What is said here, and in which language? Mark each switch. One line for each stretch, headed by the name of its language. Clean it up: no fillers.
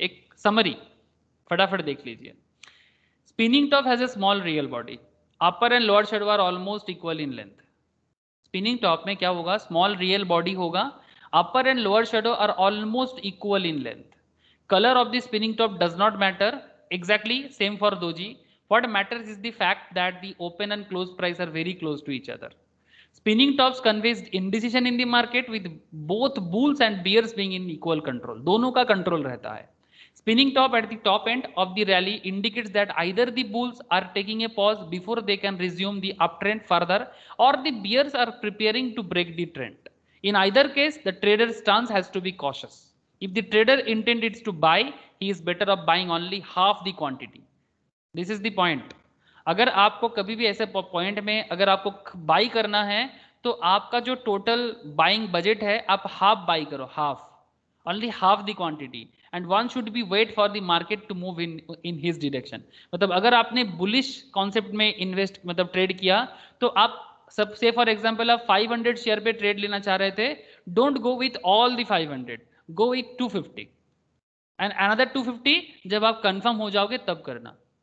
English: एक समरी फटाफट देख लीजिए. Spinning top has a small real body, upper and lower shadow are almost equal in length. Spinning top में क्या होगा, स्मॉल रियल बॉडी होगा, upper and lower shadow are almost equal in length. Color of the spinning top does not matter, exactly same for doji. What matters is the fact that the open and close price are very close to each other. Spinning tops conveys indecision in the market with both bulls and bears being in equal control. Dono ka control rehta hai. Spinning top at the top end of the rally indicates that either the bulls are taking a pause before they can resume the uptrend further, or the bears are preparing to break the trend. In either case, the trader's stance has to be cautious. If the trader intends to buy, he is better off buying only half the quantity. This is the point.
Hindi: अगर आपको कभी भी ऐसे point में अगर आपको buy करना है, तो आपका जो total buying budget है, आप half buy करो, half, only half the quantity.
English: And one should be wait for the market to move in his direction.
Hindi: मतलब अगर आपने bullish concept में invest मतलब trade किया, तो आप सब say for example आप 500 share पे trade लेना चाह रहे थे, don't go with all the 500. Go with 250 and another 250 जब आप confirm हो जाओगे तब करना.